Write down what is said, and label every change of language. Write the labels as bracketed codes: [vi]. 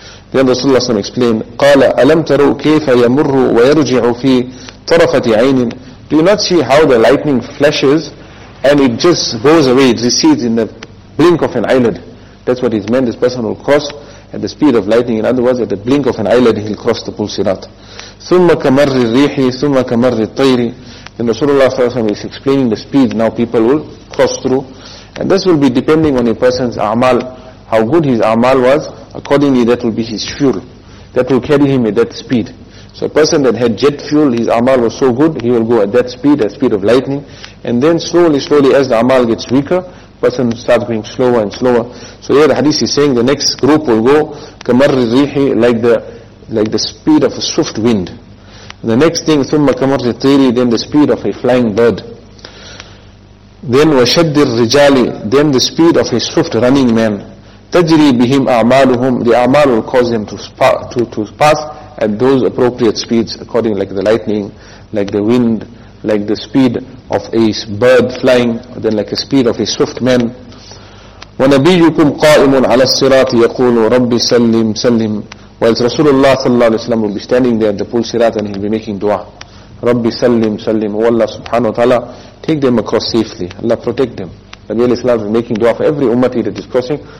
[en] Then Rasulullah sallallahu alayhi wa sallam explained, [ar] قَالَ أَلَمْ تَرُوا كَيْفَ يَمُرُّ وَيَرْجِعُ فِي طَرَفَةِ عَيْنٍ [en] Do you not see how the lightning flashes and it just goes away, it recedes in the blink of an eyelid? That's what is meant. This person will cross at the speed of lightning. In other words, at the blink of an eyelid, he'll cross the pul sirat. [ar] ثُمَّ كَمَرِّ الرِّيحِ ثُمَّ كَمَرِّ الطَّيْرِ [en] Then Rasulullah s.a.w. is explaining the speed now people will cross through. And this will be depending on a person's a'mal, how good his a'mal was. Accordingly, that will be his fuel. That will carry him at that speed. So a person that had jet fuel, his a'mal was so good, he will go at that speed, at speed of lightning. And then slowly, slowly, as the a'mal gets weaker, person starts going slower and slower. So here the hadith is saying the next group will go [ar] كَمَرِّ الرِّيحِ [en] like the speed of a swift wind. The next thing, [ar] ثُمَّ كَمَرِّ الطَّيْرِ [en] then the speed of a flying bird. Then [ar] وَشَدِّ الرِّجَالِ [en] then the speed of a swift running man. [ar] تَجْرِي بِهِمْ أَعْمَالُهُمْ [en] The a'mal will cause them to pass at those appropriate speeds according like the lightning, like the wind, like the speed of a bird flying, then like a speed of a swift man. [ar] وَنَبِيُّكُمْ قَائِمٌ عَلَى الصِّرَاطِ يَقُولُ رَبِّ سَلِّمْ سَلِّمْ [en] While Rasulullah sallallahu alayhi wa sallam will be standing there at the pul sirat and he'll be making dua. [ar] رَبِّ سَلِّمْ سَلِّمْ وَاللَّهُ سُبْحَانَهُ وَتَعَالَى [en] Take them across safely. Allah protect them. Nabi alayhi sallam is making dua for every ummati that is crossing.